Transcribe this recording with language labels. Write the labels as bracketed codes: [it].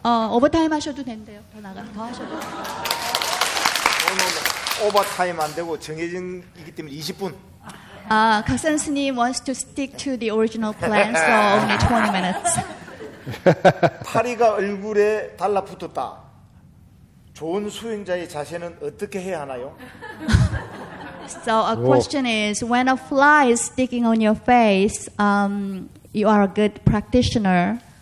[ko] Overtime 하셔도 된대요. 더 나가. 더 하셔도. 오늘 오버타임 안 되고 정해진 이기 때문에 20분. [en] Kaksun Snim wants to stick to the original plan, so only 20 minutes. [ko] 파리가 얼굴에 달라붙었다. 좋은 수행자의 자세는 어떻게 해야 하나요? [en] So a question is, when a fly is sticking on your face, you are a good practitioner.